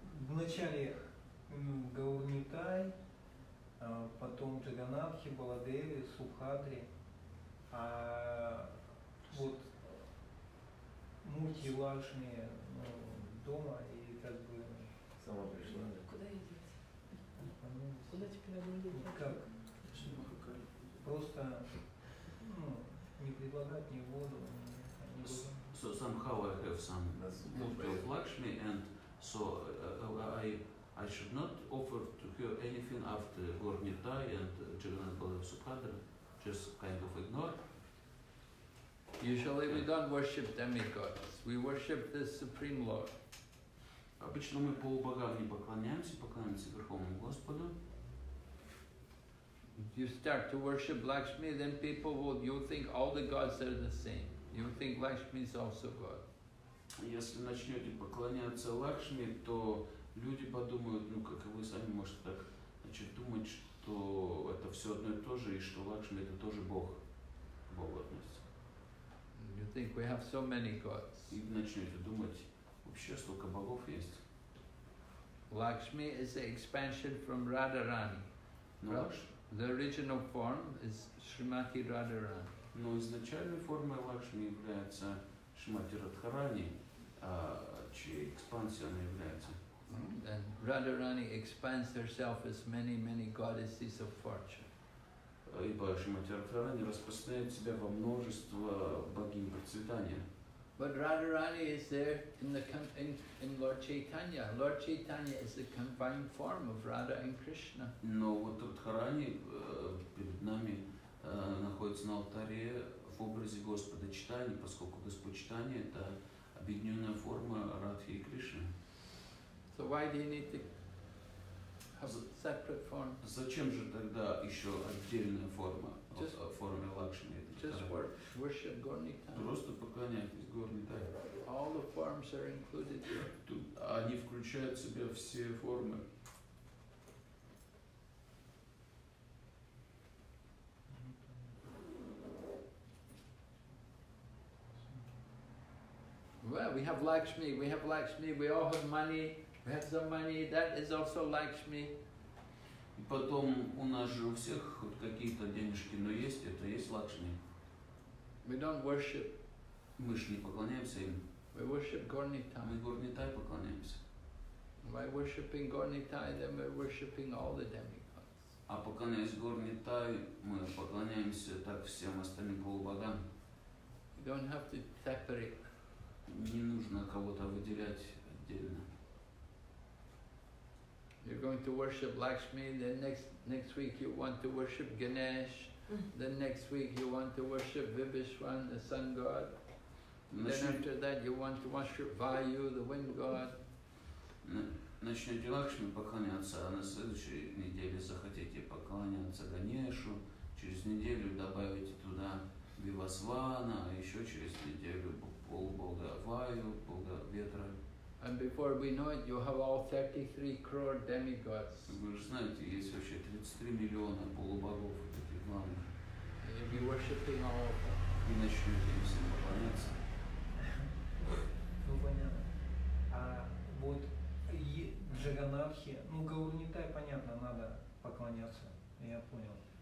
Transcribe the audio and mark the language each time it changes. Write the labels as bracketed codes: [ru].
[ru] Вначале Гаурнитай, потом Джаганнатхи, Баладеви, Субхадри, а вот Мурти Лакшми ну, дома и как бы... Сама пришла. Да? Куда идти? Куда теперь надо идти? Как? Просто ну, не предлагать ни воду, ни воду. [en] So somehow I have some Murti of Lakshmi and so I should not offer to her anything after Gornitai and Jagannath Balabha Subhadra, just kind of ignore. Usually we don't worship demigods. We worship the Supreme Lord. [ru] Обычно мы полубогам не поклоняемся, поклоняемся Верховному Господу. [en] If you start to worship Lakshmi, then people will, you think all the gods are the same. You think Lakshmi is also God. [ru] Если начнете поклоняться Лакшми, то люди подумают, ну как и вы сами можете так, значит, думать, что это все одно и то же, и что Лакшми это тоже Бог, Богу относится. [en] You think we have so many gods. [ru] И начнете думать, вообще столько богов есть. [en] Lakshmi is the expansion from Radharani. Ну, the original form is Shrimati Radharani. [ru] Но изначальной формой Лакшми является Шримати Радхарани, чья экспансия она является. [en] And Radharani expands herself as many, many goddesses of fortune. [ru] Ибо Шримати Радхарани распространяет себя во множество богинь процветания. [en] But Radharani is there in Lord Chaitanya. Lord Chaitanya is the combined form of Radha and Krishna. [ru] Но вот Радхарани перед нами находится на алтаре в образе Господа Чайтаньи, поскольку Господь Чайтанья – это объединенная форма Радхи и Кришны. [en] So why do you need to have a separate form? [ru] Зачем же тогда еще отдельная форма, форме Лакшми? [en] Just worship Gaur Nitya. [ru] Просто поклоняйтесь Gaur Nitya. [en] All the forms are included. [ru] Они включают в себя все формы. [en] Well, we have Lakshmi, we have Lakshmi, we all have money, we have some money, that is also Lakshmi. [ru] И потом у нас же у всех хоть какие-то денежки, но есть, это есть Лакшми. [en] We don't worship. [ru] Мы же не поклоняемся им. [en] We worship Gaur Nitya. [ru] Мы Gaur Nitya поклоняемся. [en] By worshiping Gaur Nitya, then we're worshiping all the demigods. [ru] А поклоняясь Gaur Nitya, мы поклоняемся так всем остальным полубогам. [en] We don't have to separate. [ru] Не нужно кого-то выделять отдельно. [en] You're going to worship Lakshmi, then next week you want to worship Ganesh, then next week you want to worship Vibhishwan, the sun god. Then after that you want to worship Vayu, the wind god. [ru] Начнете Лакшми поклоняться, а на следующей неделе захотите поклоняться Ганешу, через неделю добавите туда Вивасвана, а еще через неделю полубога Ваю, бога ветра. [en] And before we know it, you have all 33 crore demigods. [ru] Вы же знаете, есть вообще 33 миллиона полубогов этих главных. [en] And you'll be worshipping all of them. [ru] И начнете им всем поклоняться. Ну понятно. А вот и Джаганнатхи, ну Gaur Nitya, понятно, надо поклоняться, я понял.